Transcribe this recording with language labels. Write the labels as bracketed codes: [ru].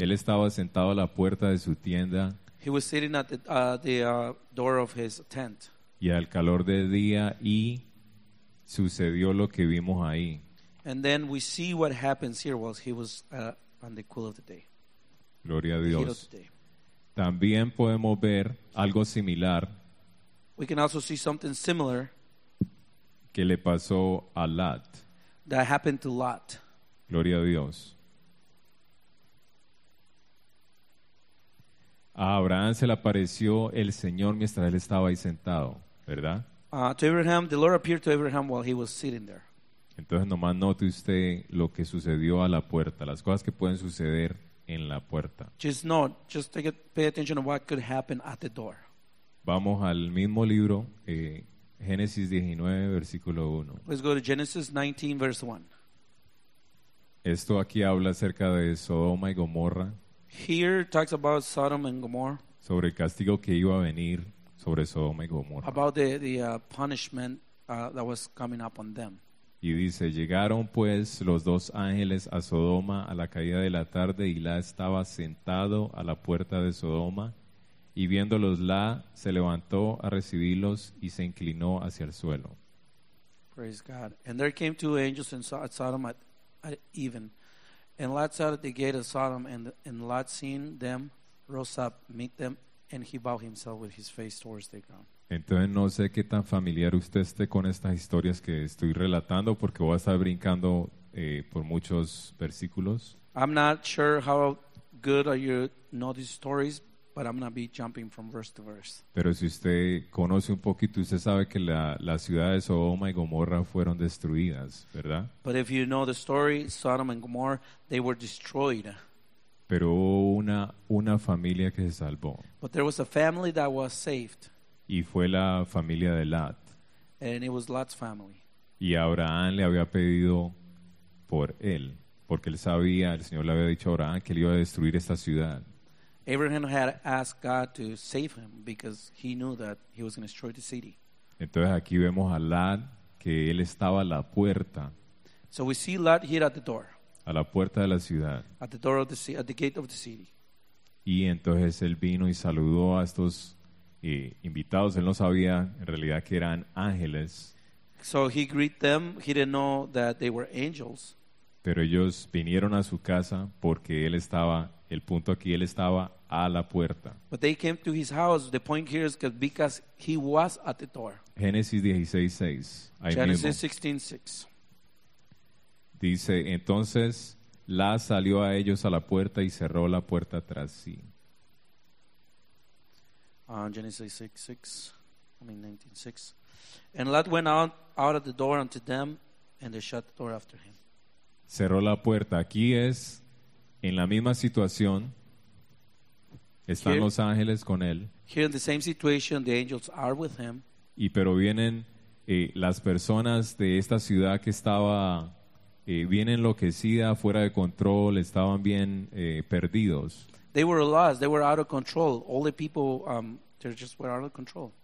[es] Él estaba sentado a la puerta de su tienda. [en] He was sitting at the door of his tent. [es] Y al calor de día y sucedió lo que vimos ahí. [en] And then we see what happens here while he was on the cool of the day. [es] Gloria a Dios. También podemos ver algo similar. [en] We can also see something similar. [es] Que le pasó a Lot. [en] That happened to Lot. [es] Gloria a Dios. A Abraham se le apareció el Señor mientras él estaba ahí sentado, ¿verdad? [en] To Abraham, the Lord appeared to Abraham while he was sitting there. [es] Entonces nomás note usted lo que sucedió a la puerta, las cosas que pueden suceder en la puerta. [en] Just note, just take it, pay attention to what could happen at the door. [es] Vamos al mismo libro, Génesis 19, versículo 1. [en] Let's go to Genesis 19, verse 1. [es] Esto aquí habla acerca de Sodoma y Gomorra. [en] Here it talks about Sodom and Gomorrah. [es] Sobre el castigo que iba a venir sobre Sodoma y Gomorra. [en] About the punishment that was coming upon them. [es] Y dice, llegaron pues los dos ángeles a Sodoma a la caída de la tarde y Lot estaba sentado a la puerta de Sodoma y viéndolos Lot se levantó a recibirlos y se inclinó hacia el suelo. [en] Praise God. And there came two angels and saw at Sodom at even. And Lot sat at the gate of Sodom and Lot seeing them rose up, meet them, and he bowed himself with his face towards the ground. [es] Entonces no sé qué tan familiar usted esté con estas historias que estoy relatando porque voy a estar brincando por muchos versículos. [en] I'm not sure how good are you know these stories, but I'm going to be jumping from verse to verse. [es] Pero si usted conoce un poquito, usted sabe que la ciudad de Sodoma y Gomorra fueron destruidas, ¿verdad? [en] But if you know the story, Sodom and Gomorrah, they were destroyed. [es] Pero una familia que se salvó. [en] But there was a family that was saved. [es] Y fue la familia de Lot. [en] And it was Lot's family. [es] Y Abraham le había pedido por él, porque él sabía, el Señor le había dicho a Abraham que él iba a destruir esta ciudad. [en] Abraham had asked God to save him because he knew that he was going to destroy the city. [es] Entonces aquí vemos a Lot que él estaba a la puerta. [en] So we see Lot here at the door. [es] A la puerta de la ciudad. [en] At the door of the at the gate of the city. [es] Y entonces él vino y saludó a estos invitados. Él no sabía en realidad que eran ángeles. [en] So he greeted them. He didn't know that they were angels. [es] Pero ellos vinieron a su casa porque él estaba, el punto aquí, él estaba a la puerta. [en] But they came to his house. The point here is because he was at the door. [es] Génesis 16:6. [en] Genesis 16:6. [es] Dice, entonces la salió a ellos a la puerta y cerró la puerta tras sí. [en] Genesis 19:6. And Lot went out of the door unto them, and they shut the door after him. [es] Cerró la puerta. Aquí es en la misma situación. Están here, los ángeles con él. [en] Here in the same situation, the angels are with him. [es] Y pero vienen las personas de esta ciudad que estaba bien enloquecida, fuera de control, estaban bien perdidos. [en] They were lost. They were out of control. All the people, they just were out of control.